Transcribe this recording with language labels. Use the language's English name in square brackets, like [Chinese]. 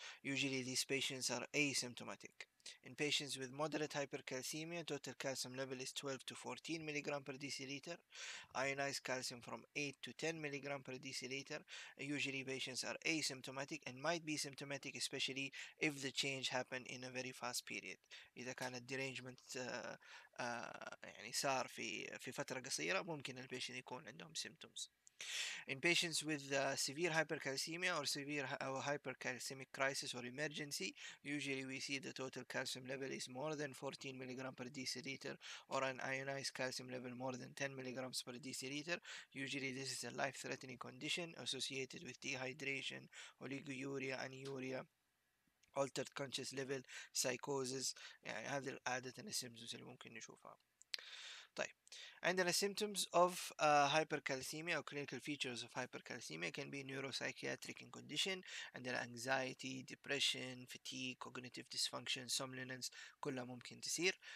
[English] Usually these patients are asymptomatic. In patients with moderate hypercalcemia, total calcium level is 12 to 14 milligram per deciliter. Ionized calcium from 8 to 10 milligram per deciliter. Usually patients are asymptomatic and might be symptomatic, especially if the change happened in a very fast period. [Arabic] إذا كان الديرانجمنت يعني صار في فترة قصيرة، ممكن البيشن يكون عندهم symptoms. [English] In patients with severe hypercalcemia or severe hypercalcemic crisis or emergency, usually we see the total calcium level is more than 14 milligram per deciliter or an ionized calcium level more than 10 milligrams per deciliter. Usually this is a life-threatening condition associated with dehydration, oliguria, anuria, altered conscious level, psychosis. [Arabic] يعني هذه عادة السيمبتومز اللي ممكن نشوفها. طيب، عندنا [English] symptoms of hypercalcemia or clinical features of hypercalcemia can be neuropsychiatric in condition. [Arabic] عندنا [English] anxiety, depression, fatigue, cognitive dysfunction, somnolence، [Arabic] كلها ممكن تصير.